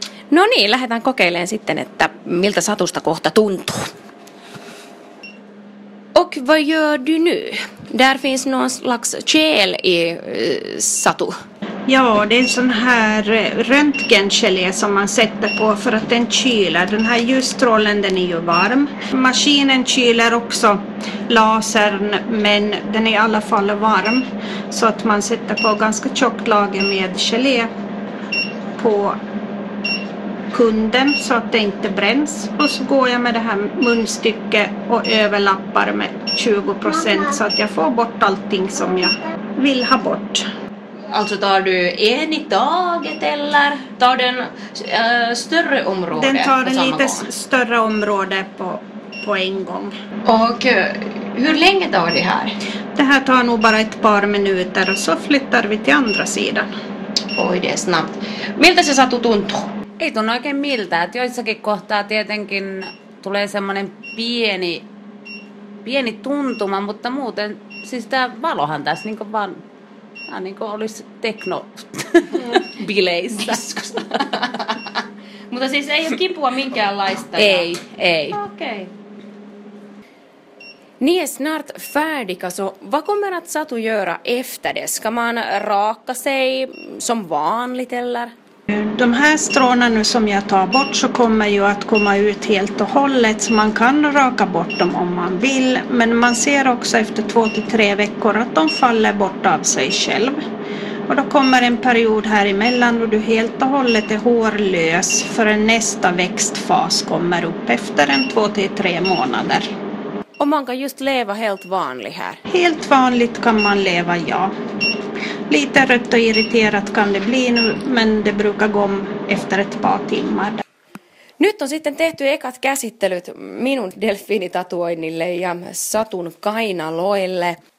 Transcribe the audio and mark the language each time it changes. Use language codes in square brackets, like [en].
[fi] No niin, lähdetään kokeilemaan sitten, että miltä Satusta kohta tuntuu. [sv] Och vad gör du nu? Där finns någon slags gel i Satu. Ja, det är en sån här röntgengelé som man sätter på för att den kyler. Den här ljusstrålen, den är ju varm. Maskinen kyler också lasern, men den är i alla fall varm. Så att man sätter på ganska tjockt lager med gelé på kunden så att det inte bränns. Och så går jag med det här munstycket och överlappar med 20% så att jag får bort allting som jag vill ha bort. Alltså tar du en i taget eller tar den större område? Den tar en lite större område på en gång. Och hur länge tar det här? Det här tar nog bara ett par minuter och så flyttar vi till andra sidan. Oj, det är snabbt. [fi] Miltä se Satu tuntuu? Ei tunnu oikein miltä. Et joissakin kohtaa tietenkin tulee semmoinen pieni tuntuma, mutta muuten siis tämä valohan tässä niin kuin vaan... Tämä niin kuin olisi teknobileissä. Mutta siis ei ole kipua minkäänlaista. Ei, ei. Okei. [sv] Ni är snart färdiga, så vad kommer att Satu göra efter det? Ska man raka sig som vanligt eller? De här stråna nu som jag tar bort så kommer ju att komma ut helt och hållet, så man kan raka bort dem om man vill. Men man ser också efter 2 till 3 veckor att de faller bort av sig själv. Och då kommer en period här emellan då du helt och hållet är hårlös förrän nästa växtfas kommer upp efter 2 till 3 månader. Och man kan just leva helt vanligt här? Helt vanligt kan man leva, ja. Lite rött och irriterat kan det bli nu, men det brukar gå om efter ett par timmar. [fi] Nyt on sitten tehty ekat käsittelyt minun delfiinitatuoinnille ja Satun kainaloille.